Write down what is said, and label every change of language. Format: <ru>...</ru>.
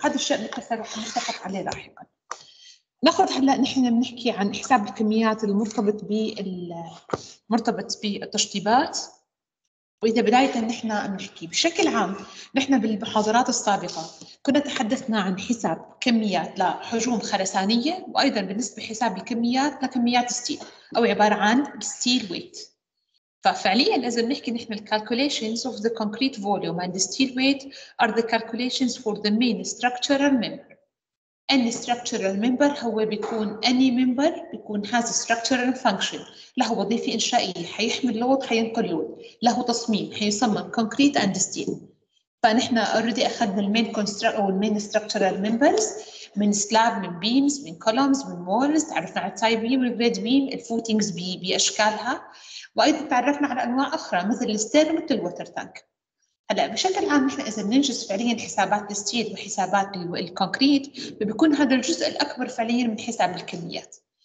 <ar>هذا الشيء مكثف ونتفق عليه لاحقا. ناخذ هلا نحن بنحكي عن حساب الكميات المرتبط بالمرتبط بالتشطيبات. وإذا بداية نحن نحكي بشكل عام، نحن بالمحاضرات السابقة كنا تحدثنا عن حساب كميات لحجوم خرسانية، وأيضا بالنسبة لحساب الكميات لكميات ستيل، أو عبارة عن ستيل ويت. ففعليا إذا نحكي نحن</ar> <en>calculations of the concrete volume and steel weight are the calculations for the main structural member. Any structural member</en> <ar>هو بيكون</ar> <en>any member</en> <ar>بيكون</ar> <en>has structural function،</en> <ar>له وظيفة إنشائية، حيحمل لود حينقل لود، له تصميم حيصمم</ar> <en>concrete and steel.</en> <ar>فنحن</ar> <en>already</en> <ar>أخذنا</ar> <en>main construct أو main structural members من slab، من beams، من columns، من walls.</en> <ar>تعرفنا على type beam والgrade beam، footings بأشكالها، وأيضا تعرفنا على أنواع أخرى مثل الستير مثل water tank. هلا بشكل عام نحن اذا ننجز فعليا حسابات الستيل وحسابات الكونكريت، بيكون هذا الجزء الاكبر فعليا من حساب الكميات.</ar>